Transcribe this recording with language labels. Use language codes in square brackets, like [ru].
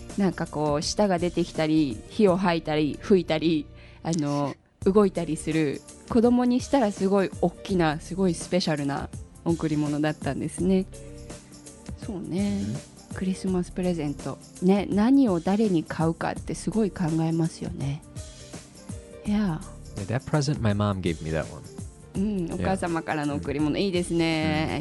[ja] なんかこう舌が出てきたり、火を吐いたり、吹いたり、動いたりする、子供にしたらすごい大きな、すごいスペシャルな贈り物だったんですね。そうね、クリスマスプレゼント、ね、何を誰に買うかってすごい考えますよね。 [en] That present my mom gave me, that one. [ja] お母様からの贈り物、いいですね。